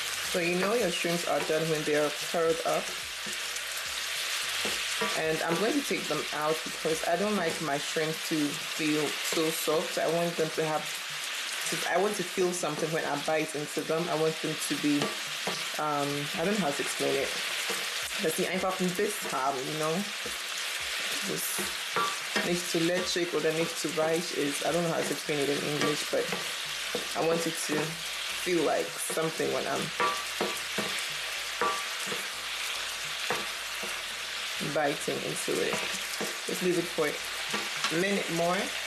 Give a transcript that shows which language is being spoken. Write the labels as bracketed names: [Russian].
[English] So you know your shrimps are done when they are curled up. And I'm going to take them out because I don't like my shrimp to feel so soft. I want them to have, I want to feel something when I bite into them. I want them to be, I don't know how to explain it. But see, [German] einfach ein bisschen haben, [English] you know? Just [German] nicht zu lätschig oder nicht zu weich ist. [English] I don't know how to explain it in English, but I want it to feel like something when I'm biting into it. Just leave it for a minute more.